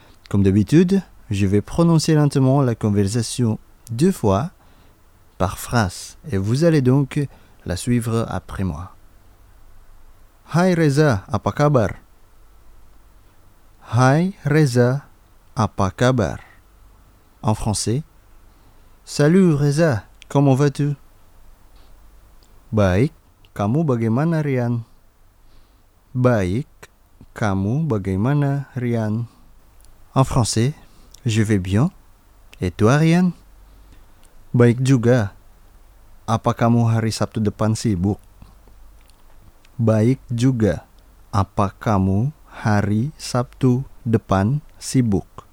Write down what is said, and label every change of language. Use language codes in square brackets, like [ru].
[fr] Comme d'habitude, je vais prononcer lentement la conversation deux fois par phrase et vous allez donc la suivre après moi. [id] Hai Reza, apa kabar? Hai Reza, apa kabar? [fr] En français, salut Reza, comment vas-tu? [id] Baik, kamu bagaimana Rian? Baik, kamu bagaimana Rian? [fr] En français, je vais bien. Et toi Rian? [id] Baik juga. Apa kamu hari Sabtu depan sibuk? Baik juga. Apa kamu hari Sabtu depan sibuk?